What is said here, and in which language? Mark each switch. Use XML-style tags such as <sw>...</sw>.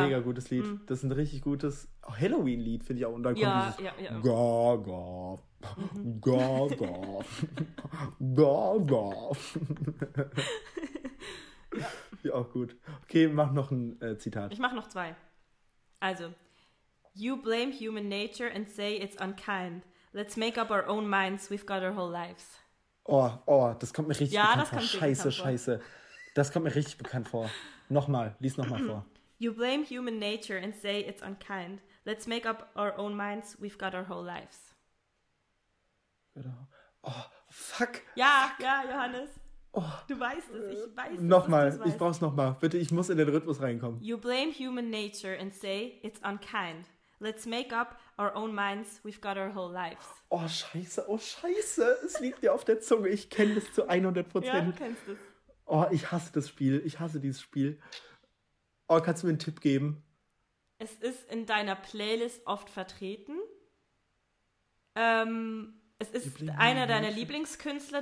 <de>Mega gutes Lied. Mhm. Das ist ein richtig gutes Halloween-Lied, finde ich auch. Und dann kommt dieses Gaga. Gaga. Gaga. Ja, auch gut. Okay, mach noch ein Zitat. Ich mach noch 2.</de> <en>Also, you blame human nature and say it's unkind. Let's make up our own minds, we've got our whole lives.</en> <de>Oh, das kommt mir richtig bekannt vor. Scheiße. Das kommt mir richtig bekannt vor. Nochmal, lies nochmal vor.</de> <en>You blame human nature and say it's unkind. Let's make up our own minds, we've got our whole lives. Oh, fuck.</en> <de>Ja, Johannes. Oh, du weißt es, ich weiß es. Nochmal, ich brauch's nochmal. Bitte, ich muss in den Rhythmus reinkommen.</de> <en>You blame human nature and say it's unkind. Let's make up our own minds, we've got our whole lives.</en> <de>Oh scheiße, es liegt dir auf der Zunge. Ich kenne das zu 100%. Ja, du kennst es. Oh, ich hasse das Spiel, ich hasse dieses Spiel. Oh, kannst du mir einen Tipp geben? Es ist in deiner Playlist oft vertreten. Es ist einer deiner Lieblingskünstler.</de>